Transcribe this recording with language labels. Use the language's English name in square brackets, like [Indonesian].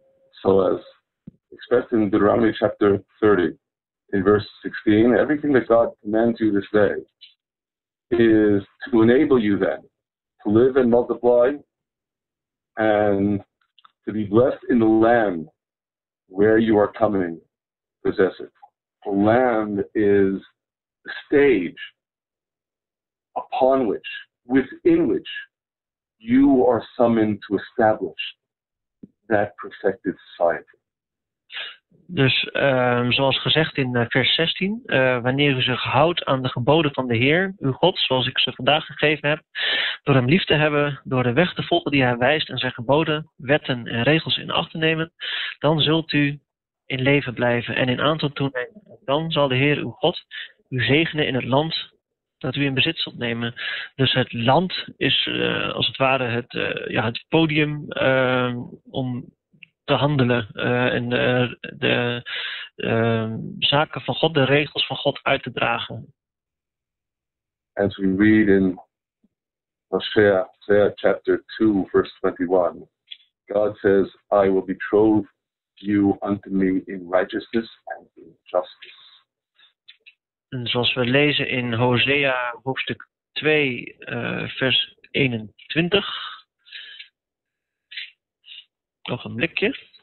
[English] So as expressed in Deuteronomy chapter 30, in verse 16, everything that God commands you this day is to enable you then to live and multiply and to be blessed in the land where you are coming to possess it. The land is the stage upon which, within which, you are summoned to establish that perfected society. [Dutch] Dus zoals gezegd in vers 16, wanneer u zich houdt aan de geboden van de Heer, uw God, zoals ik ze vandaag gegeven heb, door hem lief te hebben, door de weg te volgen die hij wijst en zijn geboden, wetten en regels in acht te nemen, dan zult u in leven blijven en in aantal toenemen. Dan zal de Heer uw God u zegenen in het land dat u in bezit zult nemen. Dus het land is als het ware het podium om te handelen en de zaken van God, de regels van God uit te dragen. [English] As we read in Hosea chapter 2, verse 21, God says, I will betroth you unto me in righteousness and in justice. [Dutch] En zoals we lezen in Hosea hoofdstuk 2, vers 21. Nog een blikje.